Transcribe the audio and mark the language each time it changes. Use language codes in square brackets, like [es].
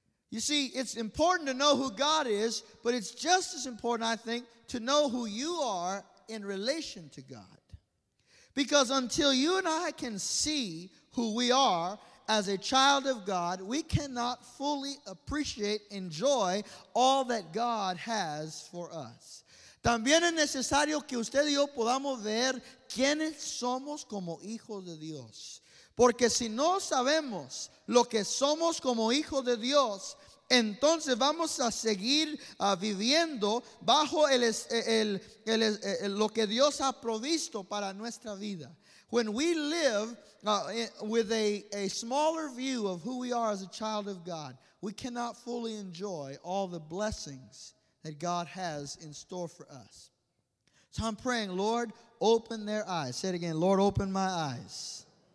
[en] You see, it's important to know who God is, but it's just as important, I think, to know who you are in relation to God. Because until you and I can see who we are as a child of God, we cannot fully appreciate, enjoy all that God has for us. [es] También es necesario que usted y yo podamos ver quiénes somos como hijos de Dios. Porque si no sabemos lo que somos como hijos de Dios, entonces vamos a seguir viviendo bajo el lo que Dios ha provisto para nuestra vida. [en] When we live with a smaller view of who we are as a child of God, we cannot fully enjoy all the blessings that God has in store for us. So I'm praying, Lord, open their eyes. Say it again, Lord, open my eyes.